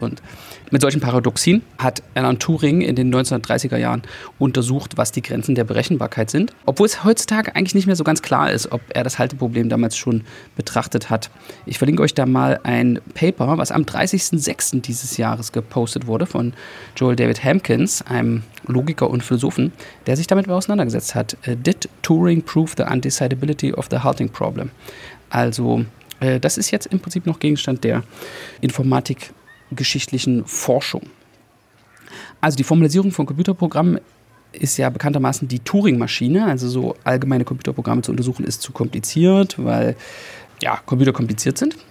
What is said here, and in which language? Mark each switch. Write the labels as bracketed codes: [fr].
[de] Und mit solchen Paradoxien hat Alan Turing in den 1930er Jahren untersucht, was die Grenzen der Berechenbarkeit sind. Obwohl es heutzutage eigentlich nicht mehr so ganz klar ist, ob er das Halteproblem damals schon betrachtet hat. Ich verlinke euch da mal ein Paper, was am 30.06. dieses Jahres gepostet wurde von Joel David Hamkins, einem Logiker und Philosophen, der sich damit auseinandergesetzt hat. [en] Did Turing prove the undecidability of the halting problem? [de] Also, das ist jetzt im Prinzip noch Gegenstand der informatikgeschichtlichen Forschung. Also die Formalisierung von Computerprogrammen ist ja bekanntermaßen die Turing-Maschine. Also so allgemeine Computerprogramme zu untersuchen ist zu kompliziert, weil ja Computer kompliziert sind.